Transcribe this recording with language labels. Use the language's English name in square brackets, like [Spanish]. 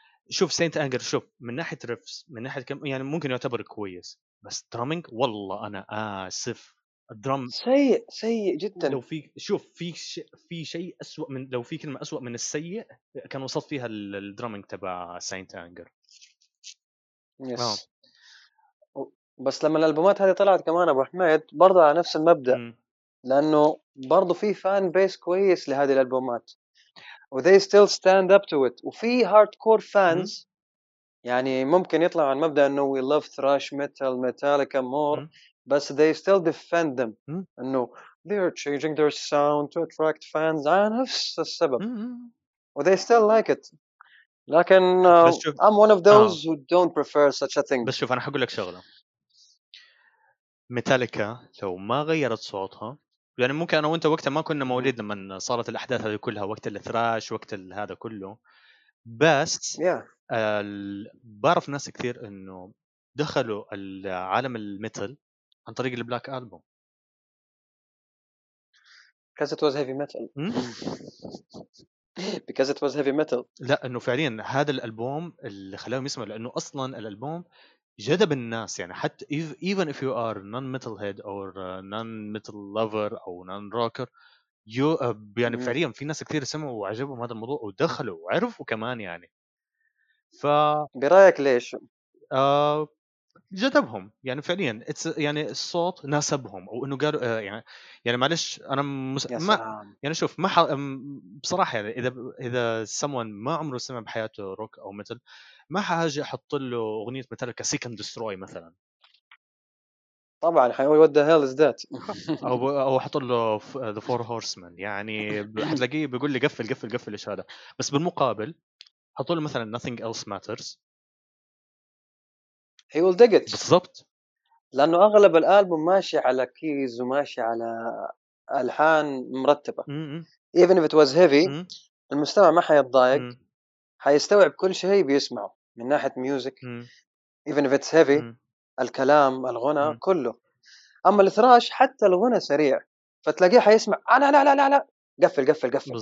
[Arabic] شوف سينت انجر، شوف من ناحيه ريفز، من ناحيه كم يعني ممكن يعتبر كويس، بس درامينج والله انا اسف الدرام سيء سيء جدا. لو في شوف في في شيء اسوء من، لو في كلمه اسوء من السيء كان وصف فيها الدرامينج تبع سينت انجر. بس لما الالبومات هذه طلعت كمان ابو حميد برضه على نفس المبدا، لانه برضه في فان بيس كويس لهذه الالبومات و [English] they still stand up to it، [Arabic] وفي هاردكور فانز يعني ممكن يطلع عن مبدا انه [English] we love thrash metal Metallica more [Arabic] بس [English] they still defend them [Arabic] انه [English] they are changing their sound to attract fans [Arabic] عن نفس السبب و [English] they still like it، [Arabic] لكن [English] I'm one of those who don't prefer such a thing. [Arabic] بس شوف انا حقول لك شغله، Metallica لو ما غيرت صوتها، يعني ممكن انا وانت وقتها ما كنا موليد لما صارت الاحداث هذه كلها، وقت الثراش وقت هذا كله، بس بعرف ناس كثير انه دخلوا العالم الميتال عن طريق البلاك ألبوم. [English] Because it was heavy metal. Because it was heavy metal. [Arabic] لا إنه فعلياً هذا الألبوم اللي خلاهم يسمعوا، لأنه أصلاً الألبوم جذب الناس، يعني حتى [English] even if you are non-metal head or non-metal lover [Arabic] أو [English] non-rocker [Arabic] يعني فعلياً في ناس كثير سمعوا وعجبهم هذا الموضوع ودخلوا وعرفوا كمان يعني. ف برأيك ليش؟ جذبهم يعني فعليا، يعني الصوت ناسبهم، او انه قالوا يعني معلش انا ما يعني شوف ما بصراحه يعني اذا سمون ما عمره سمع بحياته روك او مثل، ما حاجه احط له اغنيه مثلا كسيكند ديستروي مثلا، طبعا حيقول [English] what the hell is that. [Arabic] او حط له the four horsemen، يعني حتلاقيه بيقول لي قفل قفل قفل ايش هذا. بس بالمقابل حط له مثلا nothing else matters، [English] he will dig it. [Arabic] بالضبط، لانه اغلب الالبوم ماشي على كيز وماشي على الحان مرتبه. [English] even if it was heavy [Arabic] المستمع ما حيتضايق، حيستوعب كل شيء بيسمعه من ناحيه ميوزك. [English] even if it's heavy [Arabic] الكلام الغنى كله. اما الثراش حتى الغنى سريع، فتلاقيه حيسمع انا لا لا لا لا قفل قفل قفل.